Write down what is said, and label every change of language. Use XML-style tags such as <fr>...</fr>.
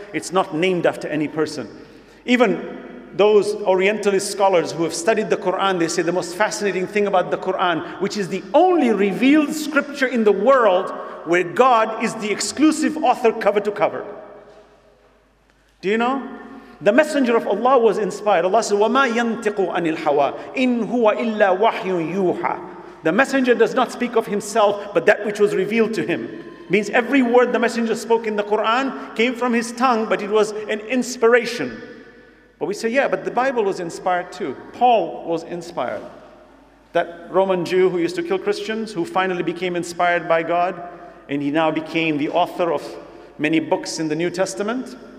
<en>It's not named after any person. Even those Orientalist scholars who have studied the Quran, they say the most fascinating thing about the Quran, which is the only revealed scripture in the world where God is the exclusive author cover to cover. Do you know? The messenger of Allah was inspired.</en> <ar>Allah said, وَمَا يَنْتِقُ عَنِ الْحَوَىٰ إِنْ هُوَ إِلَّا وَحْيٌ يُوحَىٰ.</ar> <en>The messenger does not speak of himself, but that which was revealed to him. Means every word the messenger spoke in the Quran came from his tongue, but it was an inspiration. But we say, yeah, but the Bible was inspired too. Paul was inspired. That Roman Jew who used to kill Christians, who finally became inspired by God, and he now became the author of many books in the New Testament.</en>